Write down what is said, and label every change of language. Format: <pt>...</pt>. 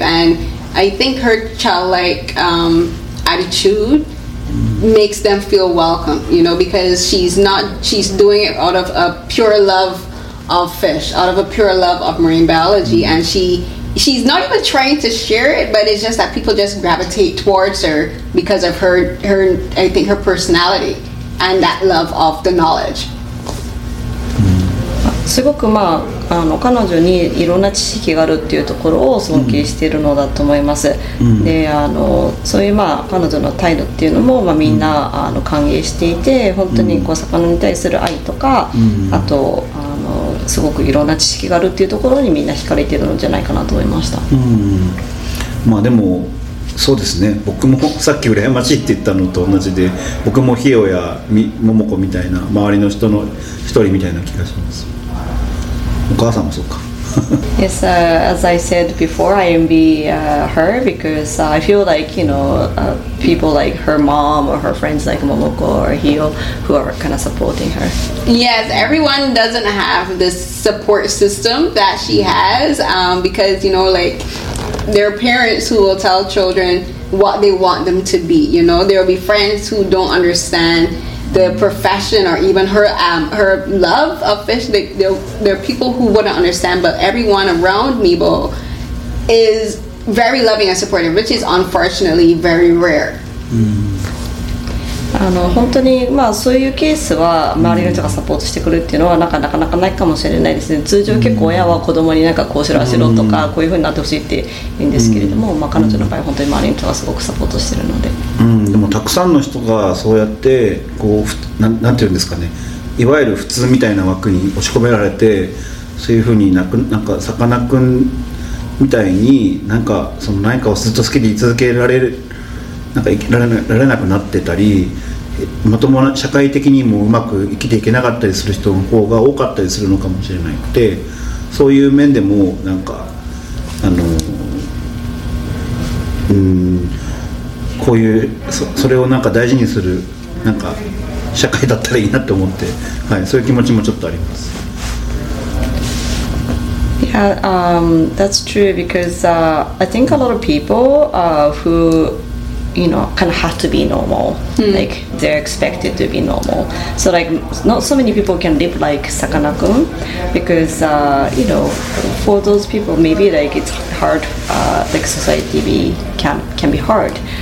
<en>And I think her childlike attitude makes them feel welcome, you know, because she's doing it out of a pure love of fish, out of a pure love of marine biology, and she's not even trying to share it, but it's just that people just gravitate towards her because of her I think her personality and that love of the knowledge.</en> <ja>すごくまあ、あの、彼女にいろんな知識があるっていうところを尊敬しているのだと思います。で、あの、そういうまあ、彼女の態度っていうのも、まあ、みんな、あの、歓迎していて、本当にこう、魚に対する愛とか、あと、あの、すごくいろんな知識があるっていうところにみんな惹かれているのじゃないかなと思いました。まあでも、そうですね。僕もさっき羨ましいって言ったのと同じで、僕もヒヨやモモコみたいな、周りの人の一人みたいな気がします。</ja> <en>Yes, as I said before, I envy her because I feel like, you know, people like her mom or her friends like Momoko or Hio who are kind of supporting her. Yes, everyone doesn't have this support system that she has because, you know, like there are parents who will tell children what they want them to be, you know, there will be friends who don't understand the profession or even her her love of fish, there are people who wouldn't understand, but everyone around Mibo is very loving and supportive, which is unfortunately very rare.</en> <ja>あの本当に、まあ、そういうケースは周りの人がサポートしてくるっていうのはなんかなかなかないかもしれないですね。通常結構親は子供になんかこうしろしろとかこういう風になってほしいって言うんですけれども、まあ、彼女の場合本当に周りの人がすごくサポートしてるので、でもたくさんの人がそうやってこうなんていうんですかね、いわゆる普通みたいな枠に押し込められて、そういう風になく、なんかさかなくんみたいになんかその何かをずっと好きでい続けられるなんか生きられなくなってたり、まともな社会的にもうまく生きていけなかったりする人の方が多かったりするのかもしれないので、そういう面でもなんかあの、こういう それをなんか大事にするなんか社会だったらいいなって思って、はい、そういう気持ちもちょっとあります。</ja> <en>Yeah, that's true because I think a lot of people whoyou know, kind of have to be normal. Mm. Like, they're expected to be normal. So, like, not so many people can live like Sakana-kun because, you know, for those people, maybe, like, it's hard, like, society can be hard.</en>